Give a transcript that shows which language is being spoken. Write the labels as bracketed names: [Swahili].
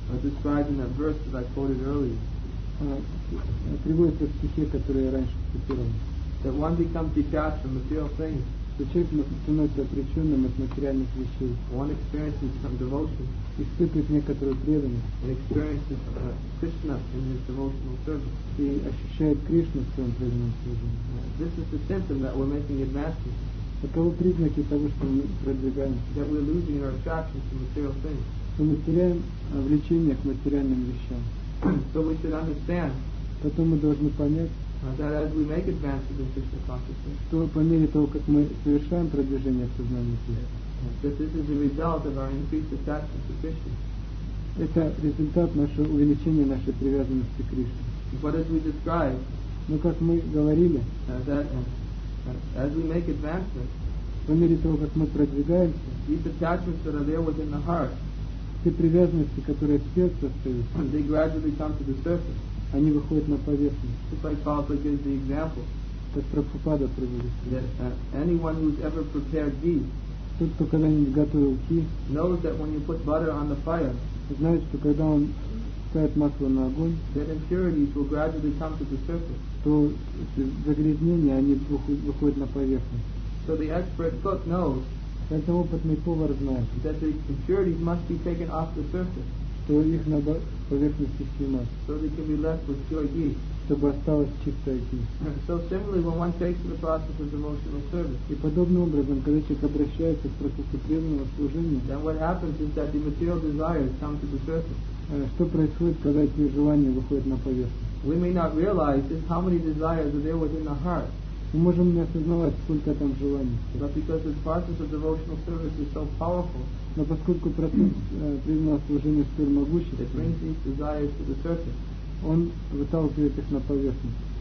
[English] Are described in that verse that I quoted earlier. [Russian] Приводится в стихе, который я раньше цитировал. [English] That one becomes detached from material things. [Russian] Что человек становится отреченным от материальных вещей. [English] One experiences some devotion. [Russian] Испытывает некоторую преданность. [English] And experiences Krishna in his devotional service. [Russian] И ощущает Кришну в своем преданном служении. [English] This is the symptom that we're making advances. [Russian] Таковы признаки того, что мы продвигаемся. [English] That we're losing our attraction to material things. [Russian] Что мы теряем влечение к материальным вещам. [English] So we should understand. [Russian] Потом мы должны понять. [English] That as we make advances in Krishna consciousness, [Russian] что по мере того, как мы совершаем продвижение в сознании Кришны, [English] that this is the result of our increased attachment to Krishna. [Russian] Это результат нашего увеличения нашей привязанности к Кришне. [English] But as we describe, [Russian] но как мы говорили, [English] that as we make advances, [Russian] по мере того, как мы продвигаемся, [English] these attachments that are there within the heart, [Russian] те привязанности, которые в сердце стоят, [English] they gradually come to the surface. [Russian] Они выходят на поверхность. [English] Just like Prabhupada gives the example. [Russian] Как Прабхупада приводит. [English] That anyone who's ever prepared ghee, [Russian] тот, кто когда-нибудь готовил ки, [English] knows that when you put butter on the fire, [Russian] знает, что когда он ставит масло на огонь, [English] that impurities will gradually come to the surface. [Russian] То загрязнения, они выходят на поверхность. [English] So the expert cook knows, [Russian] это опытный повар знает, [English] that the impurities must be taken off the surface. [Russian] То их надо поверхности снимать, [English] so they can be left with pure ghee. [Russian] Чтобы осталось чистое ghee. [English] So similarly, when one takes the process of emotional service, [Russian] и подобным образом, когда человек обращается в процессе преданного служения, [English] then what happens is that the material desires come to the surface. [Russian] Что происходит, когда эти желания выходят на поверхность? [English] We may not realize just how many desires are there within the heart. [Russian] Мы можем не осознавать, сколько там желаний. [English] But because the process of devotional service is so powerful, [Russian] но поскольку процесс преданного служения столь могущественный, [English] it brings these desires to the surface. [Russian] Он выталкивает их на поверхность.